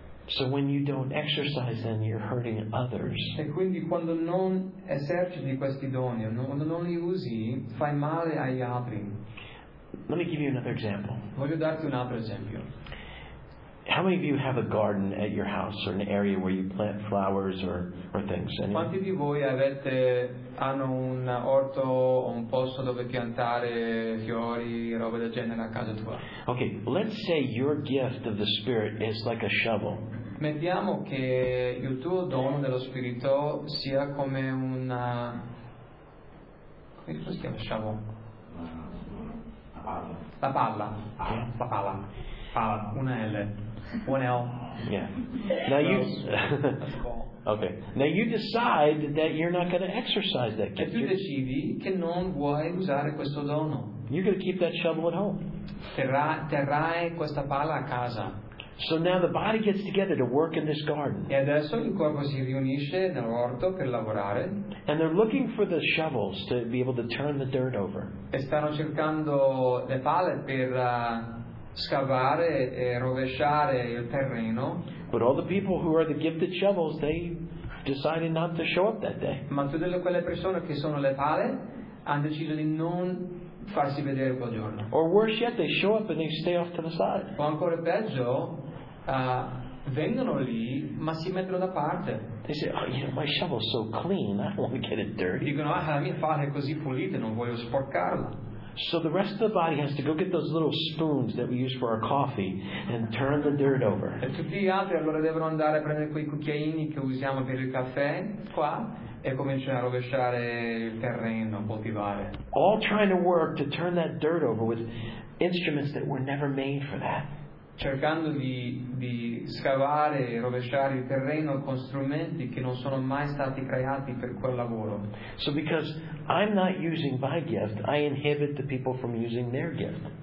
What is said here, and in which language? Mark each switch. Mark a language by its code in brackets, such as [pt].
[en] So when you don't exercise them, you're hurting others. [it] E quindi quando non eserciti questi doni, quando non li usi, fai male agli altri. [en] Let me give you another example. [it] Voglio darti un altro esempio. [en] How many of you have a garden at your house or an area where you plant flowers or things? Anyway? [it] Quanti di voi hanno un orto o un posto dove piantare fiori, roba del genere a casa tua? [en] Okay, let's say your gift of the Spirit is like a shovel. [it] Mettiamo che il tuo dono dello Spirito sia come una... come si chiama shovel? La palla. La palla. La palla. Una L. [en] One L. Yeah. Now you. That's a call. Okay. Now you decide that you're not going to exercise that gift. [it] E tu decidi che non vuoi usare questo dono. [en] You're going to keep that shovel at home. [it] Terrai questa pala a casa. [en] So now the body gets together to work in this garden. [it] E adesso il corpo si riunisce nell'orto per lavorare. [en] And they're looking for the shovels to be able to turn the dirt over. [it] E stanno cercando le pale per scavare e rovesciare il terreno. [en] But all the people who are the gifted shovels, they decided not to show up that day. [it] Ma tutte quelle persone che sono le pale hanno deciso di non farsi vedere quel giorno. [en] Or worse yet, they show up and they stay off to the side. [it] O ancora peggio, vengono lì ma si mettono da parte. [en] They say, "Oh, you know, my shovel's so clean. I don't want to get it dirty." [it] Dicono, ah, la mia pala è così pulita, non voglio sporcarla. [en] So the rest of the body has to go get those little spoons that we use for our coffee and turn the dirt over. [it] E tutti gli altri allora devono andare a prendere quei cucchiaini che usiamo per il caffè qua e cominciano a rovesciare il terreno, a coltivare. [en] All trying to work to turn that dirt over with instruments that were never made for that. [it] Cercando di scavare e rovesciare il terreno con strumenti che non sono mai stati creati per quel lavoro. [en] So because I'm not using my gift, I inhibit the people from using their gift.